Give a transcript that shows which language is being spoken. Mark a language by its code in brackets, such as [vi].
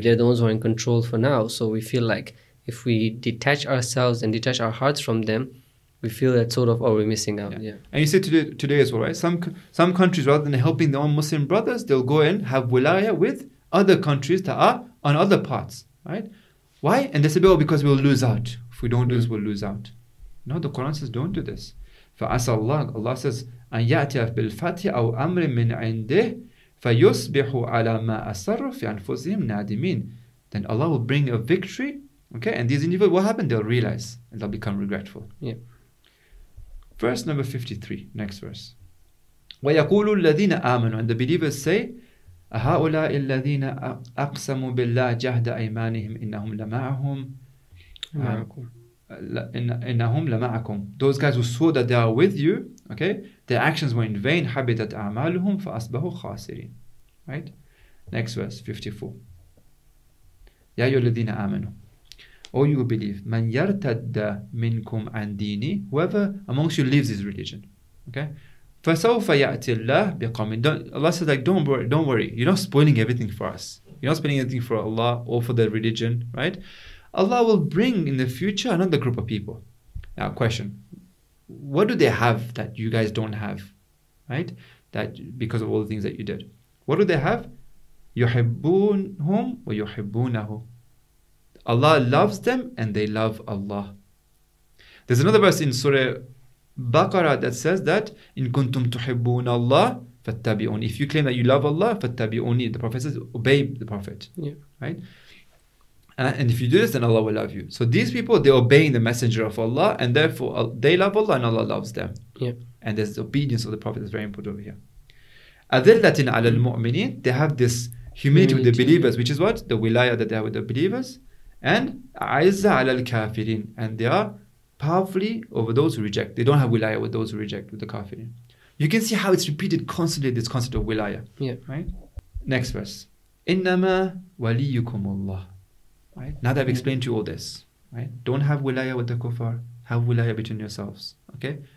[en] They're the ones who are in control for now. So we feel like if we detach ourselves and detach our hearts from them, we feel that sort of, oh, we're missing out. Yeah. And you say today as well, right? Some countries, rather than helping their own Muslim brothers, they'll go and have wilaya with other countries that are on other parts, right? Why? And they say, well, because we'll lose out. If we don't do this, we'll lose out. No, the Quran says, don't do this. For us, Allah says, [ar] أن يأتي بالفتح أو أمر من عنده فيصبح على ما أسر في أنفسهم نادمين. [en] Then Allah will bring a victory, okay? And these individuals, what happened? They'll realize and they'll become regretful. Verse number 53, next verse. [ar] ويقول الذين آمنوا, [en] and the believers say, [ar] أهؤلاء الذين أقسموا بالله جهد أيمانهم إنهم لمعهم. إنهم لمعكم. [en] Those guys who swore that they are with you, okay, their actions were in vain. [ar] حبطت أعمالهم فأصبحوا خاسرين. [en] Right. Next verse 54. [ar] يا أيها الذين آمنوا, [en] O you who believe, [ar] من يرتد منكم عن ديني, [en] whoever amongst you leaves his religion, okay, [ar] فسوف يأتي الله بقوم. [en] Allah says, like, don't worry. You're not spoiling everything for us. You're not spoiling anything for Allah or for the religion, right? Allah will bring in the future another group of people. Now, question. What do they have that you guys don't have? Right? That because of all the things that you did. What do they have? [ar] يُحِبُّونَهُمْ وَيُحِبُّونَهُ. [en] Allah loves them and they love Allah. There's another verse in Surah Baqarah that says that [ar] إِن كُنْتُمْ تُحِبُّونَ اللَّهِ فَاتَّبِعُونِ. [en] If you claim that you love Allah, [ar] فَاتَّبِعُونِ. [en] The Prophet says, obey the Prophet. Yeah. Right? And if you do this, then Allah will love you. So these people, they're obeying the messenger of Allah, and therefore they love Allah and Allah loves them. Yeah. And there's the obedience of the Prophet is very important over here. [ar] أَذِلَّةٍ عَلَى الْمُؤْمِنِينَ. [en] They have this humility with the believers, which is what? The wilaya that they have with the believers. [ar] And عَزَّ عَلَى الْكَافِرِينَ. [en] And they are powerfully over those who reject. They don't have wilaya with those who reject, with the kafirin. You can see how it's repeated constantly, this concept of wilaya. Yeah. Right? Next verse. [ar] إِنَّمَا وَلِيُّكُمُ اللَّهُ. [en] Right? Now that I've explained to you all this, right? Don't have wilaya with the kuffar, have wilaya between yourselves, okay?